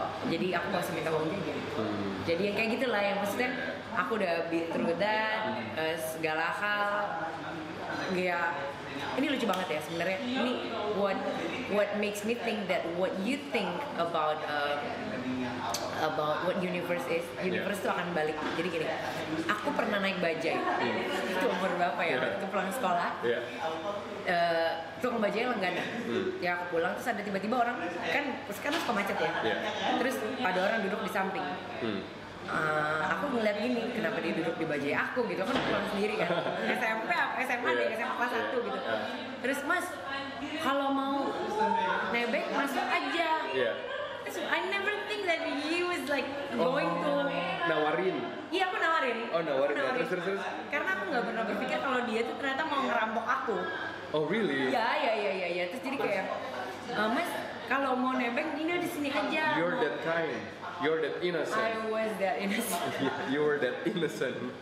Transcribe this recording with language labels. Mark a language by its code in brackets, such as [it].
[id] Jadi aku gak usah minta uang juga. Jadi yang kayak gitulah, yang maksudnya aku udah terbedah segala hal. Ya, ini lucu banget ya sebenarnya. [en] Ini what makes me think that what you think about what universe is, universe [id] itu akan balik. Jadi gini, aku pernah naik bajaj. Itu umur berapa ya? Itu pulang sekolah. Tukang bajajnya langganan. Ya aku pulang terus ada tiba-tiba orang kan sekarang suka macet ya. Terus ada orang duduk di samping. Aku ngeliat gini, kenapa dia duduk di bajaj aku gitu, kan pulang sendiri kan. SMA kelas 1 gitu. Terus mas, kalau mau nebek masuk aja. [en] I never think that he was like going to [id] nawarin. Iya, aku nawarin. Oh, nawarin. Terus. Karena aku enggak pernah berpikir kalau dia tuh ternyata mau ngerampok aku. [en] Oh, really? [id] Iya. Terus jadi kayak mas, kalau mau nebeng ini di sini aja. [en] You're that kind. You're that innocent. I was that innocent. You were that innocent.